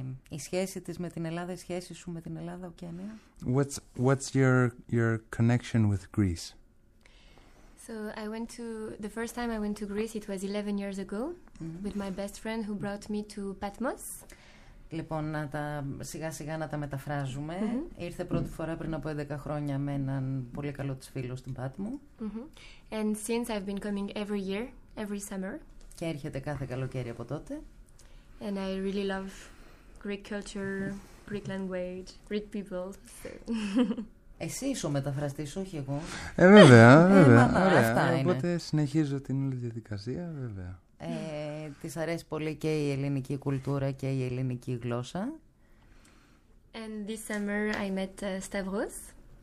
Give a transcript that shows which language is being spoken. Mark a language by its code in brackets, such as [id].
[el] Η σχέση της με την Ελλάδα, η σχέση σου με την Ελλάδα, Οκεανία. [en] What's your connection with Greece? So I went to, the first time I went to Greece it was 11 years ago with my best friend who brought me to Patmos. [el] Λοιπόν, να τα, σιγά σιγά να τα μεταφράζουμε. Ήρθε πρώτη φορά πριν από 11 χρόνια με έναν πολύ καλό της φίλου στην Πάτμο. [en] And since I've been coming every year, every summer. [el] Και έρχεται κάθε καλοκαίρι από τότε. [en] And I really love Greek culture, Greek language, Greek people. [el] Εσύ είσαι ο μεταφραστής, όχι εγώ. Βέβαια. Ωραία, αυτά είναι. Οπότε συνεχίζω την όλη διαδικασία, βέβαια. Της αρέσει πολύ και η ελληνική κουλτούρα και η ελληνική γλώσσα. [en] And this summer I met Stavros.